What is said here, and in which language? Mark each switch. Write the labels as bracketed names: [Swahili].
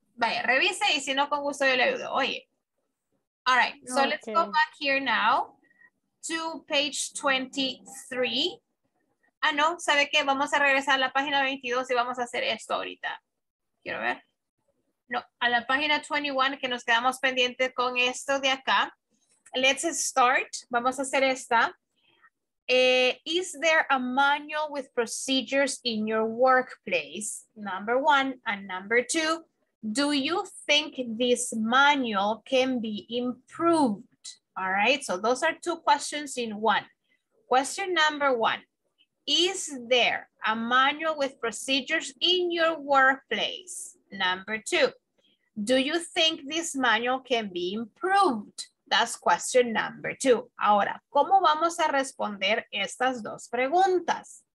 [Spanish] Vaya, revise y si no, con gusto yo le ayudo. Oye. [English] All right, so okay. Let's go back here now to page 23. [Spanish] Ah, no, ¿sabe qué? Vamos a regresar a la página 22 y vamos a hacer esto ahorita. Quiero ver. No, a la página 21 que nos quedamos pendientes con esto de acá. [English] Let's start. [Spanish] Vamos a hacer esta. [English] Is there a manual with procedures in your workplace? Number one. And number two, do you think this manual can be improved? All right, so those are two questions in one. Question number one, is there a manual with procedures in your workplace? Number two, do you think this manual can be improved? That's question number two. [Spanish] Ahora, ¿cómo vamos a responder estas dos preguntas?